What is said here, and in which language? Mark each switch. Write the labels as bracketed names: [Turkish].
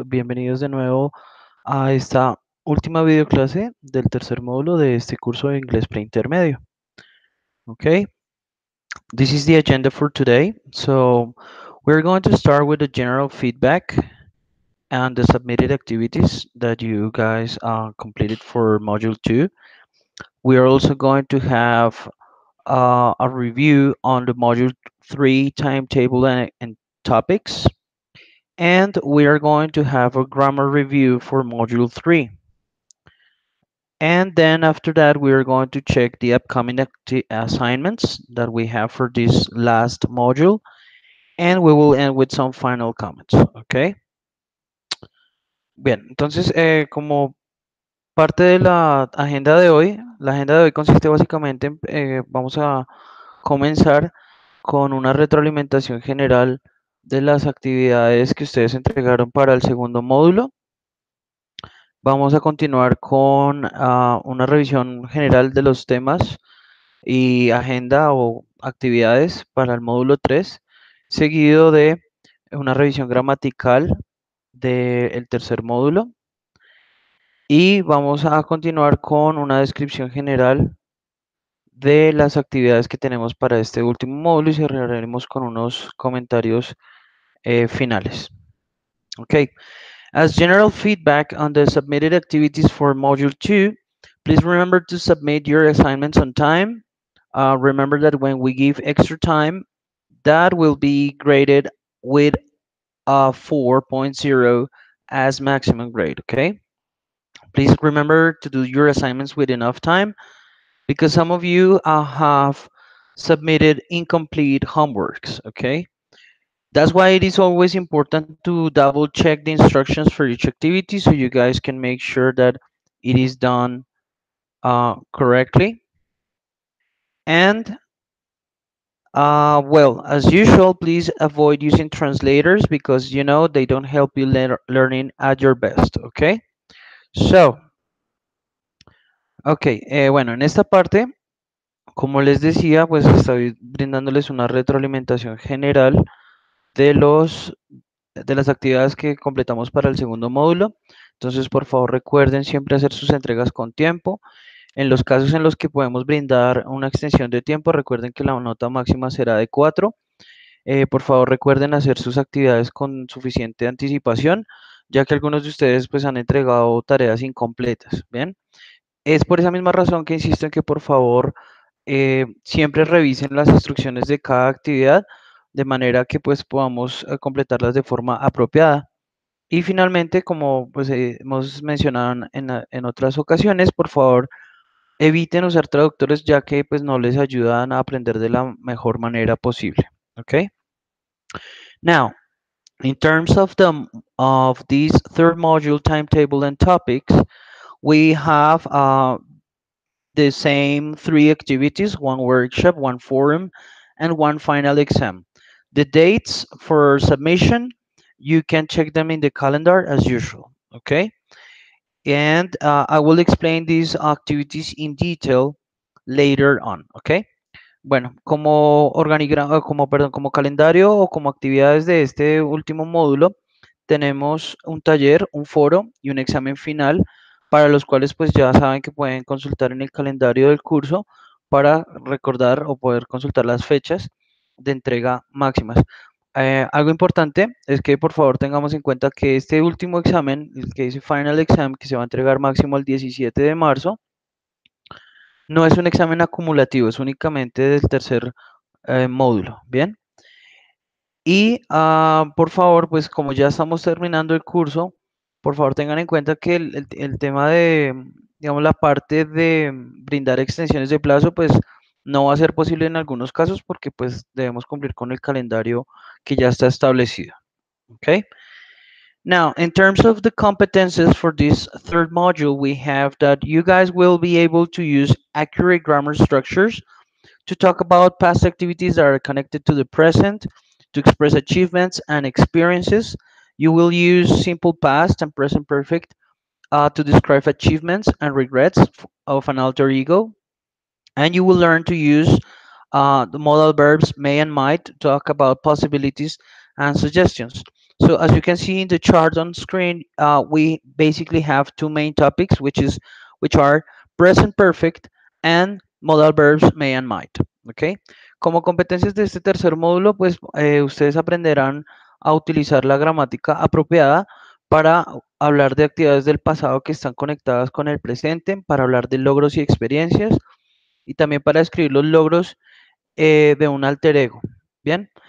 [Spanish] Bienvenidos de nuevo a esta última video clase del tercer módulo de este curso de inglés preintermedio. [English] Okay. This is the agenda for today. So we're going to start with the general feedback and the submitted activities that you guys completed for Module 2. We are also going to have a review on the Module 3 timetable and topics. And we are going to have a grammar review for Module 3. And then after that, we are going to check the upcoming assignments that we have for this last module. And we will end with some final comments, okay? [Spanish] Bien, entonces, como parte de la agenda de hoy consiste básicamente en, vamos a comenzar con una retroalimentación general de las actividades que ustedes entregaron para el segundo módulo. Vamos a continuar con una revisión general de los temas y agenda o actividades para el módulo 3, seguido de una revisión gramatical del tercer módulo, y vamos a continuar con una descripción general de las actividades que tenemos para este último módulo y cerraremos con unos comentarios finales. [English] Okay. As general feedback on the submitted activities for Module 2, please remember to submit your assignments on time. Remember that when we give extra time, that will be graded with 4.0 as maximum grade, okay? Please remember to do your assignments with enough time because some of you have submitted incomplete homeworks, okay? That's why it is always important to double check the instructions for each activity so you guys can make sure that it is done correctly. And well, as usual, please avoid using translators because, you know, they don't help you learning at your best, okay? [Spanish] So, okay, bueno, en esta parte, como les decía, pues estoy brindándoles una retroalimentación general de las actividades que completamos para el segundo módulo. Entonces, por favor, recuerden siempre hacer sus entregas con tiempo. En los casos en los que podemos brindar una extensión de tiempo, recuerden que la nota máxima será de 4. Por favor, recuerden hacer sus actividades con suficiente anticipación, ya que algunos de ustedes pues, han entregado tareas incompletas. ¿Bien? Es por esa misma razón que insisto en que, por favor, siempre revisen las instrucciones de cada actividad, de manera que pues, podamos completarlas de forma apropiada. Y finalmente, como pues, hemos mencionado en otras ocasiones, por favor, eviten usar traductores ya que pues, no les ayudan a aprender de la mejor manera posible. [English] Okay. Now, in terms of this third module timetable and topics, we have the same three activities, one workshop, one forum, and one final exam. The dates for submission, you can check them in the calendar as usual. Okay. And I will explain these activities in detail later on, okay? [Spanish] Bueno, como organigrama, como calendario o como actividades de este último módulo, tenemos un taller, un foro y un examen final para los cuales pues ya saben que pueden consultar en el calendario del curso para recordar o poder consultar las fechas de entrega máximas. Algo importante es que, por favor, tengamos en cuenta que este último examen, el que dice final exam, que se va a entregar máximo el 17 de marzo, no es un examen acumulativo, es únicamente del tercer módulo, ¿bien? Y, por favor, pues como ya estamos terminando el curso, por favor, tengan en cuenta que el tema de, digamos, la parte de brindar extensiones de plazo, pues, no va a ser posible en algunos casos porque, pues, debemos cumplir con el calendario que ya está establecido. [English] Okay. Now, in terms of the competences for this third module, we have that you guys will be able to use accurate grammar structures to talk about past activities that are connected to the present, to express achievements and experiences. You will use simple past and present perfect to describe achievements and regrets of an alter ego. And you will learn to use the modal verbs may and might to talk about possibilities and suggestions. So as you can see in the chart on screen, we basically have two main topics, which are present perfect and modal verbs may and might. Okay. [Spanish] Como competencias de este tercer módulo, pues ustedes aprenderán a utilizar la gramática apropiada para hablar de actividades del pasado que están conectadas con el presente, para hablar de logros y experiencias, y también para describir los logros de un alter ego. Bien.